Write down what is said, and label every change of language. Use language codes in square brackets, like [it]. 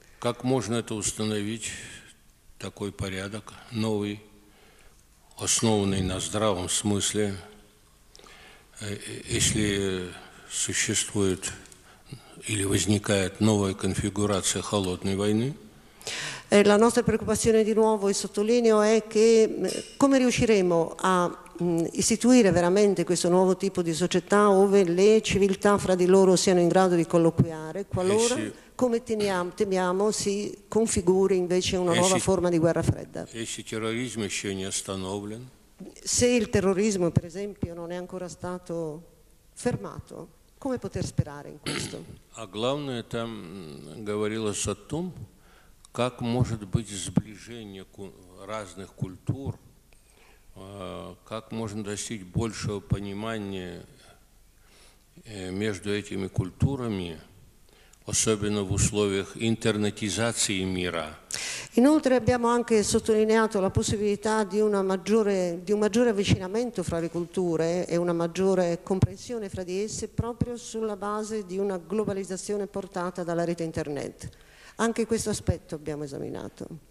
[ru] Как можно это установить такой порядок новый, основанный на здравом смысле, если существует или возникает новая конфигурация холодной войны? [it] La nostra preoccupazione di nuovo, e sottolineo, è che come riusciremo a istituire veramente questo nuovo tipo di società ove le civiltà fra di loro siano in grado di colloquiare, qualora, come temiamo, si configuri invece una nuova forma di guerra fredda. Se il terrorismo, per esempio, non è ancora stato fermato, come poter sperare in questo? [ru] A главное там говорилось о том, как может быть сближение разных культур, как можно достичь большего понимания между этими культурами, особенно в условиях интернетизации мира. [it] Inoltre abbiamo anche sottolineato la possibilità di un maggiore avvicinamento fra le culture e una maggiore comprensione fra di esse proprio sulla base di una globalizzazione portata dalla rete internet. Anche questo aspetto abbiamo esaminato.